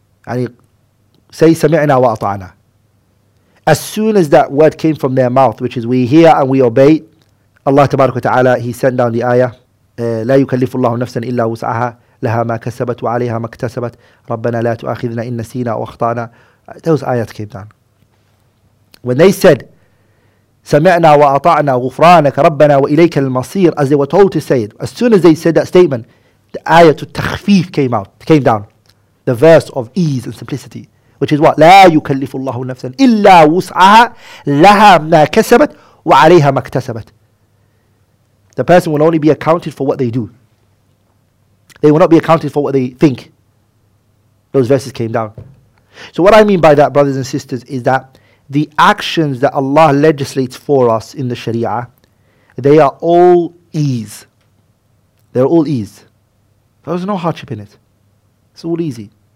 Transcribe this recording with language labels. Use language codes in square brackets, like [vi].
[en] And say, [ar] sami'na wa ata'na. [en] As soon as that word came from their mouth, which is, we hear and we obey, Allah tabarak wa ta'ala, he sent down the ayah, [ar] la yukallifu Allahu nafsan illa wus'aha, لها ما كسبت وعليها ما اكتسبت ربنا لا تؤاخذنا إن نسينا أو أخطأنا. [en] Those ayats came down. When they said, [ar] سمعنا وأطعنا غفرانك ربنا وإليك المصير, [en] as they were told to say it, as soon as they said that statement, the ayat التخفيف came out, came down. The verse of ease and simplicity, which is what? [ar] لا يكلف الله نفسا إلا وسعها لها ما كسبت وعليها ما اكتسبت. [en] The person will only be accounted for what they do. They will not be accounted for what they think. Those verses came down. So what I mean by that, brothers and sisters, is that the actions that Allah legislates for us in the Sharia, they are all ease. They're all ease. There's no hardship in it. It's all easy.